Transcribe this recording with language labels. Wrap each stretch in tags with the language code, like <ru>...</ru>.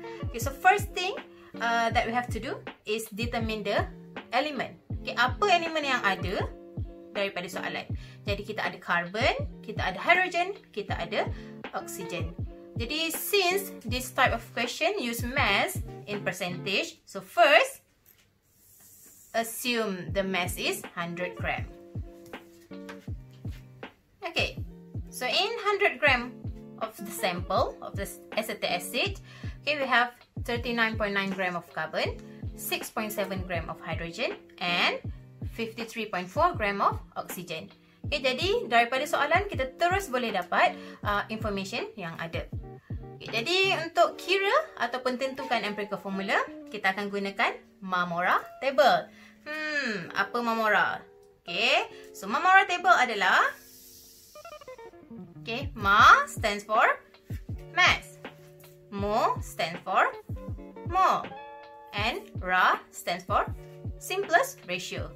<en>Okay, so first thing that we have to do is determine the element.</en> <ms>Okay, apa element yang ada daripada soalan? Jadi kita ada carbon, kita ada hydrogen, kita ada oxygen.</ms> <en>Jadi since this type of question use mass in percentage, so first assume the mass is 100 gram. Okay, so in 100 gram of the sample of the acetic acid, okay, we have 39.9 gram of carbon, 6.7 gram of hydrogen and 53.4 gram of oxygen.</en> <ms>Okay, jadi daripada soalan kita terus boleh dapat information yang ada. Okay, jadi untuk kira ataupun tentukan empirical formula, kita akan gunakan MAMORA table. Apa MAMORA?</ms> <en>Okay, so MAMORA table adalah, okay, MA stands for mass, MO stands for mole, and RA stands for simplest ratio.</en>